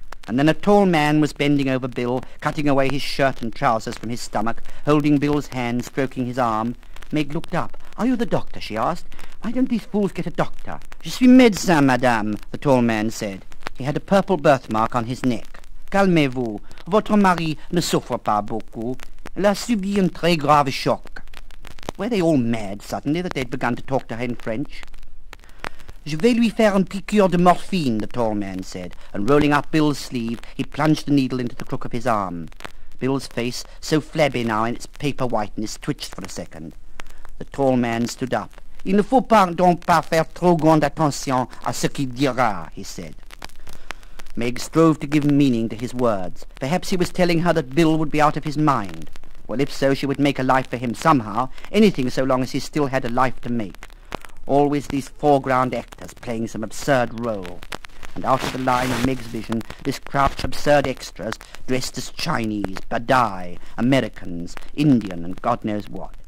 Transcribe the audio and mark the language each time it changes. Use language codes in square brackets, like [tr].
[en] And then a tall man was bending over Bill, cutting away his shirt and trousers from his stomach, holding Bill's hand, stroking his arm. Meg looked up. "Are you the doctor?" she asked. "Why don't these fools get a doctor?" [fr] "Je suis médecin, madame," [en] the tall man said. He had a purple birthmark on his neck. [fr] "Calmez-vous. Votre mari ne souffre pas beaucoup. Il a subi un très grave choc." [en] Were they all mad suddenly that they'd begun to talk to her in French? [fr] "Je vais lui faire une piqûre de morphine," [en] the tall man said, and rolling up Bill's sleeve, he plunged the needle into the crook of his arm. Bill's face, so flabby now in its paper whiteness, twitched for a second. The tall man stood up. [fr] "Il ne faut pas donc pas faire trop grande attention à ce qu'il dira," [en] he said. Meg strove to give meaning to his words. Perhaps he was telling her that Bill would be out of his mind. Well, if so, she would make a life for him somehow, anything so long as he still had a life to make. Always these foreground actors playing some absurd role. And out of the line of Meg's vision, this crowd of absurd extras dressed as Chinese, Badai, Americans, Indian, and God knows what.